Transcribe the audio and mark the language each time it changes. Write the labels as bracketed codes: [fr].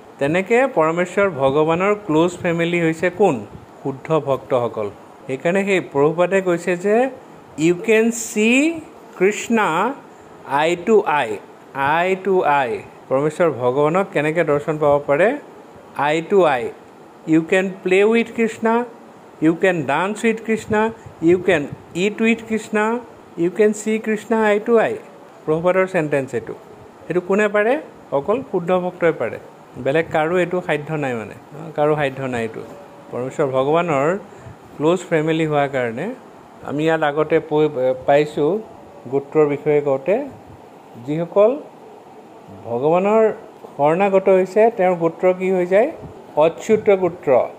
[as] তেনেকৈ পৰমেশ্বৰ ভগৱানৰ close family হৈছে কোন? শুদ্ধ ভক্তসকল। সেইকাৰণে সেই প্ৰভুপাদে কৈছে যে [en] you can see Krishna eye to eye, [as] আই টু আই পৰমেশ্বৰ ভগৱানক কেনেকৈ দৰ্শন পাব পাৰে, আই two I. [en] you can play with Krishna, you can dance with Krishna, you can eat with Krishna, you can see Krishna eye to eye, [as] প্ৰভুপাদৰ sentence এইটো। সেইটো কোনে পাৰে? অকল শুদ্ধ ভক্তই পাৰে, বেলেগ কাৰো এইটো সাধ্য নাই, মানে কাৰো সাধ্য নাই। এইটো পৰমেশ্বৰ ভগৱানৰ ক্ল'জ ফেমিলি হোৱাৰ কাৰণে আমি ইয়াত আগতে পাইছোঁ গোত্ৰৰ বিষয়ে কওঁতে, যিসকল ভগৱানৰ শৰণাগত হৈছে তেওঁৰ গোত্ৰ কি হৈ যায়, অচ্যুত গোত্ৰ।